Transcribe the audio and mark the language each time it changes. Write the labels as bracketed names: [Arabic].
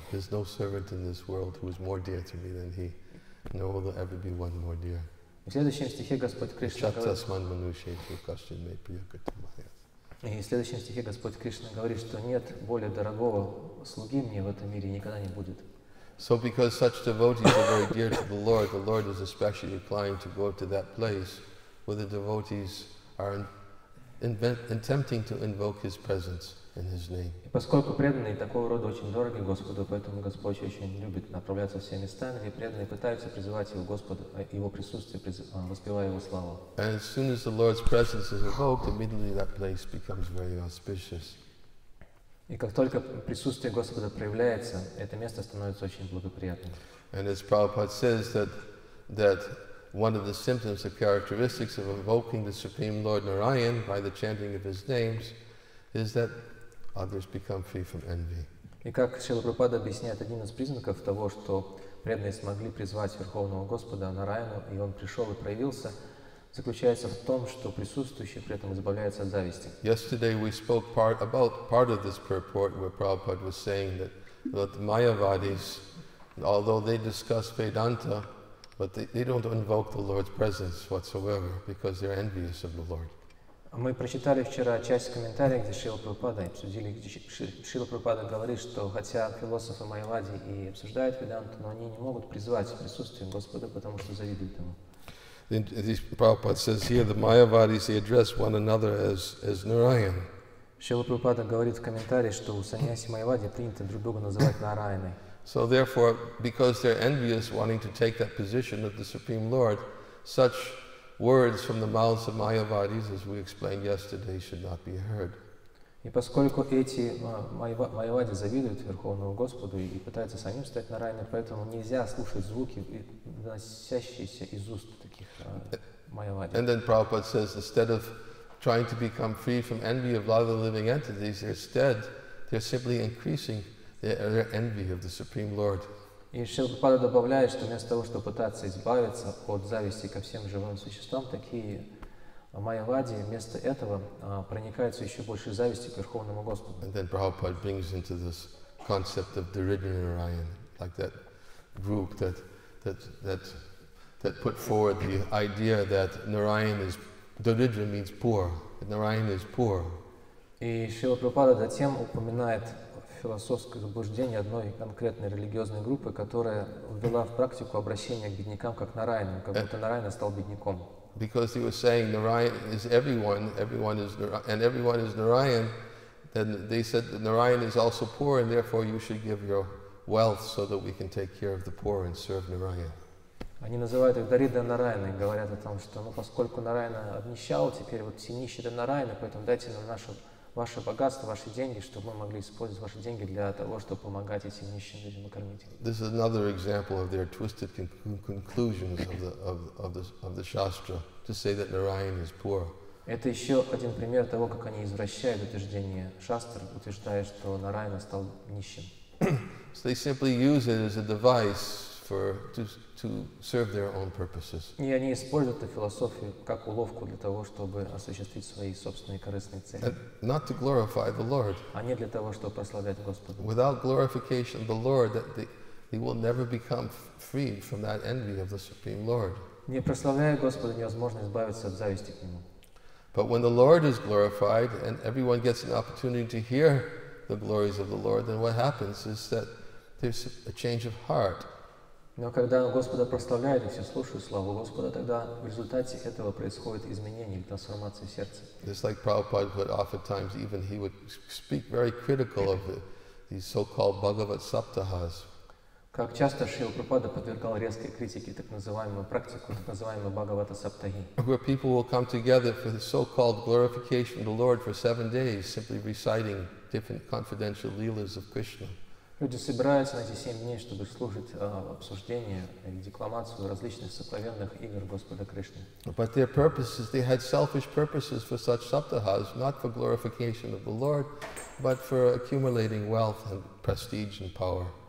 [English] There's no servant in this world who is more dear to me than he. Nor will there ever be one more dear. [Russian] В следующем стихе Господь Кришна говорит, и в следующем стихе Господь Кришна говорит, что нет более дорогого слуги мне в этом мире, никогда не будет. [English] So because such devotees are very dear to the Lord is especially inclined to go to that place where the devotees are attempting to invoke His presence in His name. [Russian] И поскольку преданные такого рода очень дороги Господу, поэтому Господь очень любит направляться в все места, где преданные пытаются призывать Его Господа, Его присутствие, воспевая Его славу. [English] And as soon as the Lord's presence is invoked, immediately that place becomes very auspicious. [Russian] И как только присутствие Господа проявляется, это место становится очень благоприятным. [English] And as Prabhupada says that one of the symptoms or characteristics of invoking the Supreme Lord Narayan by the chanting of His names is that others become free from envy. [Russian] И как Шрила Прабхупада объясняет, один из признаков того, что преданные смогли призвать Верховного Господа Нараяну, и Он пришел и проявился, заключается в том, что присутствующие при этом избавляются от зависти. [English] Yesterday we spoke about part of this purport where Prabhupada was saying that the Mayavadis, although they discuss Vedanta, but they don't invoke the Lord's presence whatsoever because they're envious of the Lord. [Russian] Мы прочитали вчера часть комментария, где Шрила Прабхупада обсудили, где Шрила Прабхупада говорит, что хотя философы Майявади и обсуждают Веданту, но они не могут призвать присутствие Господа, потому что завидуют ему. [English] Prabhupada says here the Mayavadis, they address one another as Narayan. [Russian] Шрила Прабхупада говорит в комментарии, что у саньяси Майявади принято друг друга называть Нараяной. [English] So therefore, because they're envious, wanting to take that position of the Supreme Lord, such words from the mouths of Mayavadis, as we explained yesterday, should not be heard. [Russian] И поскольку эти Майявади завидуют Верховному Господу и пытаются самим стать на райне, поэтому нельзя слушать звуки, доносящиеся из уст таких Майявади. [English] And then Prabhupada says, instead of trying to become free from envy of other living entities, instead they're simply increasing their envy of the Supreme Lord. [Russian] И Шрила Прабхупада добавляет, что вместо того, чтобы пытаться избавиться от зависти ко всем живым существам, такие в Майяваде вместо этого проникаются еще больше зависти к Верховному Господу. [English] And then Prabhupada brings into this concept of Dharidranarayan, like that group that put forward the idea that Narayan is Dharidra means poor. That Narayan is poor. [Russian] И Шрила Прабхупада затем упоминает философское заблуждение одной конкретной религиозной группы, которая ввела в практику обращение к беднякам как Нараяна, как будто Нараяна стал бедняком. [English] Because he was saying Narayan is everyone, everyone is and everyone is Narayan, then they said that Narayan is also poor, and therefore you should give your wealth so that we can take care of the poor and serve Narayan. [Russian] Они называют их Дарида Нараяна и говорят о том, что, ну, поскольку Нараяна обнищал, теперь вот все нищие Нараяна, поэтому дайте нам ваше богатство, ваши деньги, чтобы мы могли использовать ваши деньги для того, чтобы помогать этим нищим людям и кормить их. [English] This is another example of their twisted conclusions of the Shastra, to say that Narayan is poor. [Russian] Это еще один пример того, как они извращают утверждение Шастр, утверждая, что Нараяна стал нищим. [English] So they simply use it as a device to serve their own purposes. [Russian] И они используют эту философию как уловку для того, чтобы осуществить свои собственные корыстные цели. [English] And not to glorify the Lord. [Russian] А не для того, чтобы прославлять Господа. [English] Without glorification of the Lord, they will never become free from that envy of the Supreme Lord. [Russian] Не прославляя Господа, невозможно избавиться от зависти к Нему. [English] But when the Lord is glorified and everyone gets an opportunity to hear the glories of the Lord, then what happens is that there's a change of heart. [Russian] Но когда Господа прославляют и все слушают славу Господа, тогда в результате этого происходит изменение, трансформация сердца. [English] Just like Prabhupada would oftentimes even he would speak very critical of these so-called Bhagavad Saptahas. [Russian] Как часто Шрила Прабхупада подвергал резкой критике так называемую практику, так называемую Бхагавата Саптахи. [English] Where people will come together for the so-called glorification of the Lord for 7 days, simply reciting different confidential leelas of Krishna. [Russian] Люди собираются на эти 7 дней, чтобы слушать обсуждение или декламацию различных сокровенных игр Господа Кришны. [English] But their purposes, they had selfish purposes for such saptahas, not for glorification of the Lord, but for accumulating wealth and prestige and power.